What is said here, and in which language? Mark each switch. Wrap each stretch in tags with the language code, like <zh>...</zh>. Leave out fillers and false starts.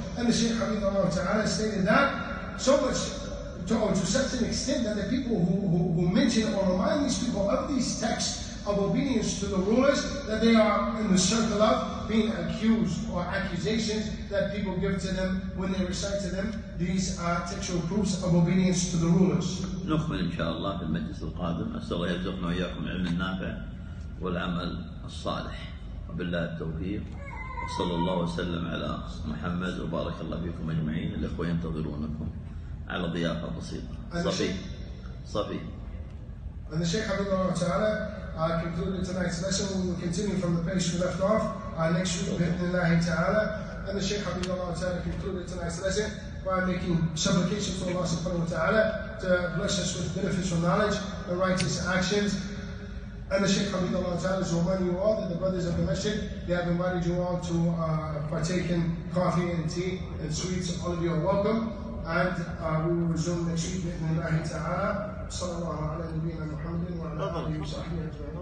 <en>And the Shaykh Habibullah Ta'ala stated that so much to such an extent that the people who mention or remind these people of these texts of obedience to the rulers, that they are in the circle of being accused, or accusations that people give to them when they recite to them these textual proofs of obedience to the rulers.</en> <ar>نكمل إن شاء الله في المجلس القادم. أسأل الله يرزقنا وإياكم العلم النافع والعمل الصالح، وبالله التوفيق، وصلى الله وسلم على محمد، وبارك الله فيكم أجمعين. الإخوة ينتظرونكم على ضيافة بسيطة. صفي.</ar> <en>And the Shaykh Abdullah Ta'ala concluded tonight's lesson. We will continue from the place we left off next week,</en> <ar>بإذن الله تعالى.</ar> <en>And the Shaykh Abdullah Ta'ala concluded tonight's lesson by making supplication for Allah subhanahu wa ta'ala to bless us with beneficial knowledge and righteous actions. And the Shaykh Abdullah Ta'ala is reminding you all that the brothers of the masjid, they have invited you all to partake in coffee and tea and sweets. All of you are welcome. And we will resume next week, بإذن الله تعالى.</en> <ar>صلى الله على نبينا محمد وعلى آله وصحبه أجمعين.</ar>